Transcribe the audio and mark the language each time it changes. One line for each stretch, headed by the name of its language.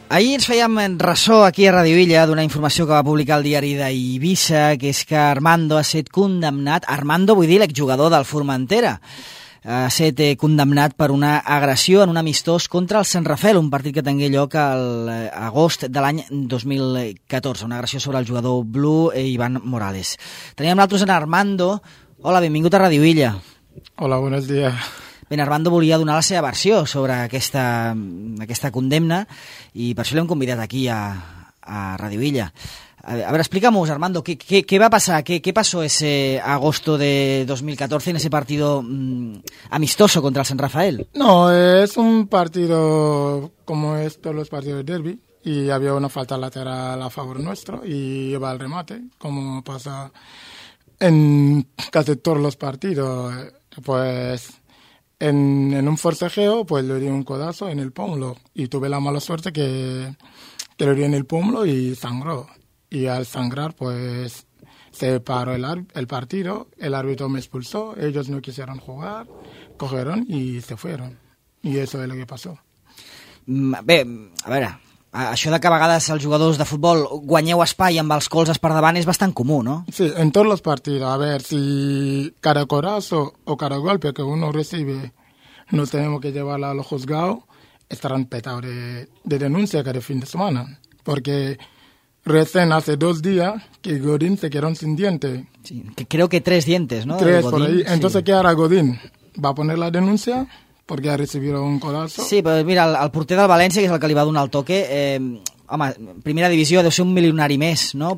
Catalan: Ahir ens fèiem ressò aquí a Ràdio Illa d'una informació que va publicar el diari d'Eivissa, que és que Armando ha estat condemnat, Armando vull dir l'exjugador del Formentera, ha estat condemnat per una agressió en un amistós contra el Sant Rafel, un partit que tingué lloc l'agost de l'any 2014, una agressió sobre el jugador blu Ivan Morales. Teníem nosaltres en Armando. Hola, benvingut a Ràdio Illa.
Spanish: Hola, buenos días.
Catalan: Ben, Armando volia donar la seva versió sobre aquesta condemna i per això l'hem convidat aquí a Ràdio Illa. A veure, explica'm-ho, Armando, què va passar?
Spanish: Què passó ese agosto de 2014 en ese partido amistoso contra el San Rafael? No, es un partido como es todos los partidos de derbi y había una falta lateral a favor nuestro y iba al remate, como pasa en casi todos los partidos, pues... En un forcejeo, pues le di un codazo en el pómulo y tuve la mala suerte que le di en el pómulo y sangró. Y al sangrar, pues se paró el partido, el árbitro me expulsó, ellos no quisieron jugar, cogieron y se fueron. Y eso es lo que pasó.
Catalan: Bé, a veure, això de que a vegades els jugadors de futbol guanyeu espai amb els colzes per davant és bastant comú, no? Sí, en tots els partits.
Spanish: A veure, si cada corazo o cada golpe que uno recibe no tenemos que llevarlo a los juzgados, estarán petados de denuncia cada fin de semana. Porque recién hace dos días que Godín se quedó sin diente. Sí, que creo que tres dientes, ¿no? Tres, Godín, por ahí. Entonces, sí. ¿Qué hará Godín? ¿Va a poner la denuncia?
Catalan: Perquè ha recibit un codazo. Sí, però mira, el porter del València, que és el que li va donar el toque, home, primera divisió deu ser un milionari més, no?